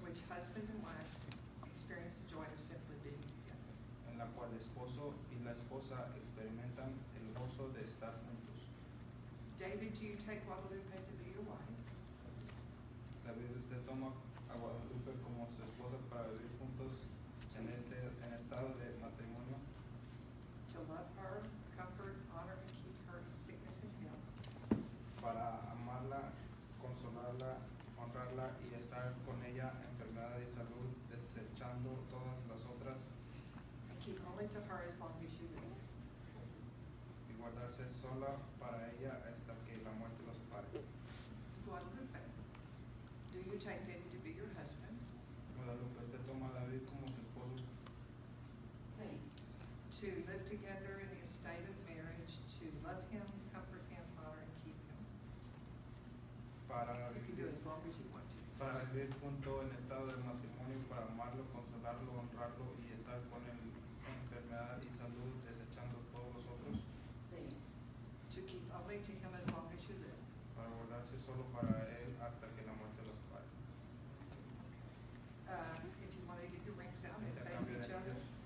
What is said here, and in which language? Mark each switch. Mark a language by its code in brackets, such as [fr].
[en] Husband and wife experience the joy of simply being together. [es] En la cual el esposo y la esposa experimentan el gozo de estar juntos. [en] David, do you take Guadalupe to be your wife? [es] David, usted toma a Guadalupe como su esposa para vivir juntos en estado de matrimonio. [en] To love her, comfort, honor, and keep her in sickness and health. [es] Para amarla, consolarla, honrarla y estar con ella en enfermedad y salud, desechando todas las otras. [en] And keep only to her as long as you live. [es] Y guardarse sola para ella hasta que la muerte los pare. [en] Guadalupe, do you take David to be your husband? [es] Guadalupe, ¿usted toma a David como su esposo? Sí. [en] To live together in the estate of marriage, to love him, comfort him, honor, and keep him. [es] Para para vivir junto en estado de matrimonio, para amarlo, consolarlo, honrarlo y estar con él en enfermedad y salud, desechando todos los otros. Sí. [en] To keep only to him as long as you live. [es] Para guardarse solo para él hasta que la muerte los pare. [en] If you want to get your rings out and face each other.